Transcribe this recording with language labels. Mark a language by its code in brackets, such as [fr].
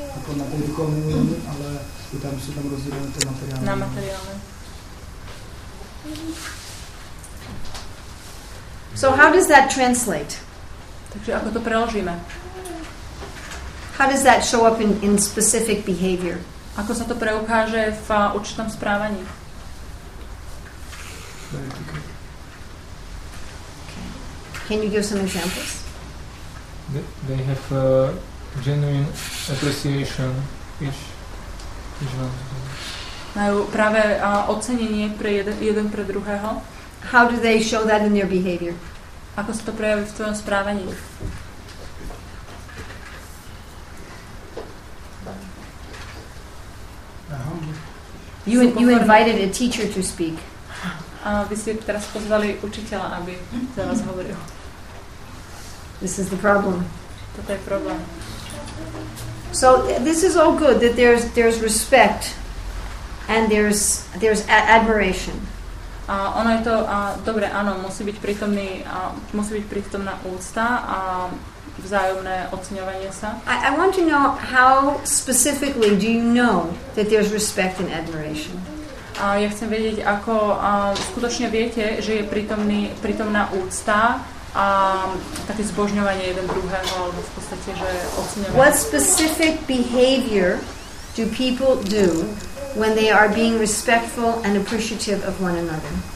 [sk] Ako na tej duchovnej úrovni, ale tam sú tam rozdielené tie materiály. Na materiály. [en] So how does that translate? [sk] Takže ako to preložíme? [en] How does that show up in specific behavior? [sk] Ako sa to preukáže v určitom správaní? [en] Okay. Can you give some examples? They have a genuine appreciation each one. [sk] Majú práve ocenenie pre jeden pre druhého. [en] How do they show that in their behavior? [sk] Ako sa to prejaví v tvojom správaní? [en] You invited a teacher to speak. [sk] A vy ste teraz pozvali učiteľa, aby za vás hovoril. [en] This is the problem. [sk] Toto je problém. [en] So this is all good that there's respect and there's admiration. [sk] A ono je to dobre, áno, musí byť prítomná úcta a vzájomné oceňovanie sa. [en] I want to know how specifically do you know that there's respect and admiration? [sk] A ja chcem vedieť, ako skutočne viete, že je prítomná úcta a také zbožňovanie jeden druhého, alebo v podstate, že oceňovanie. [en] What specific behavior do people do when they are being respectful and appreciative of one another?